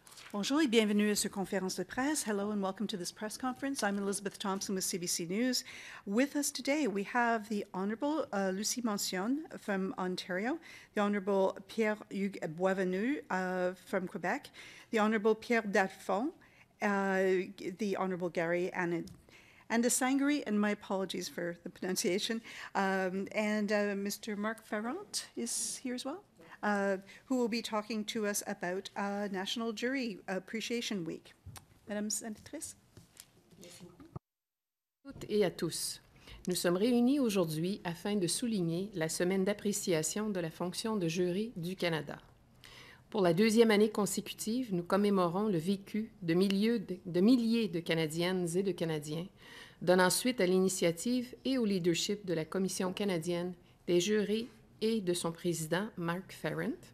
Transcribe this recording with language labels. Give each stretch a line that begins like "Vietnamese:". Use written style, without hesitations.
French: Bonjour et bienvenue à cette conférence de presse.
English: Hello and welcome to this press conference. I'm Elizabeth Thompson with CBC News. With us today, we have the Honourable Lucie Moncion from Ontario, the Honourable Pierre-Hugues Boisvenu from Quebec, the Honourable Pierre Dalphond, the Honourable Gary Anandasangaree, and my apologies for the pronunciation, and Mr. Mark Farrant is here as well. Who will be talking to us about National Jury Appreciation Week.
French: Madame Sénatrice. Merci beaucoup. À toutes et à tous, nous sommes réunis aujourd'hui afin de souligner la semaine d'appréciation de la fonction de jury du Canada. Pour la deuxième année consécutive, nous commémorons le vécu de milliers de Canadiennes et de Canadiens, donnant suite à l'initiative et au leadership de la Commission canadienne des jurés et de son président, Mark Farrant.